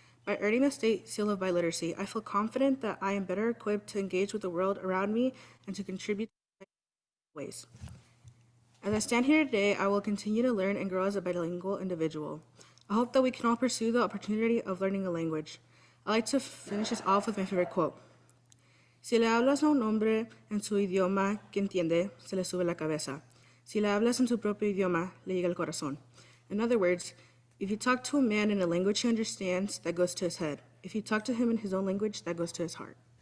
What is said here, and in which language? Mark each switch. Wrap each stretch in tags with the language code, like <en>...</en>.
<en>By earning the State Seal of Biliteracy, I feel confident that I am better equipped to engage with the world around me and to contribute in ways. As I stand here today, I will continue to learn and grow as a bilingual individual. I hope that we can all pursue the opportunity of learning a language. I'd like to finish this off with my favorite quote.</en> <es>Si le hablas a un hombre en su idioma que entiende, se le sube la cabeza. Si le hablas en su propio idioma, le llega el corazón.</es> <en>In other words, if you talk to a man in a language he understands, that goes to his head. If you talk to him in his own language, that goes to his heart.</en>